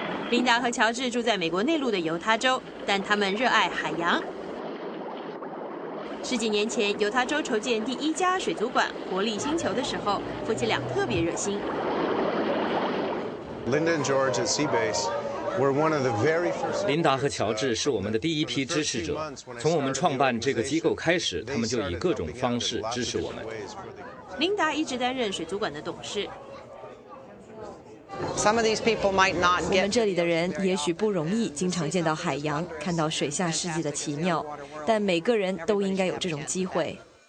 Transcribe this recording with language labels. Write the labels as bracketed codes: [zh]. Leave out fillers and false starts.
[zh] 琳达和乔治住在美国内陆的犹他州，但他们热爱海洋。十几年前，犹他州筹建第一家水族馆——活力星球的时候，夫妻俩特别热心。 [en] Linda and George at Seabase were one of the very first. [zh] 琳达和乔治是我们的第一批支持者。从我们创办这个机构开始，他们就以各种方式支持我们。琳达一直担任水族馆的董事。 [en] Some of these people might not get. [zh] 我们这里的人也许不容易经常见到海洋，看到水下世界的奇妙，但每个人都应该有这种机会。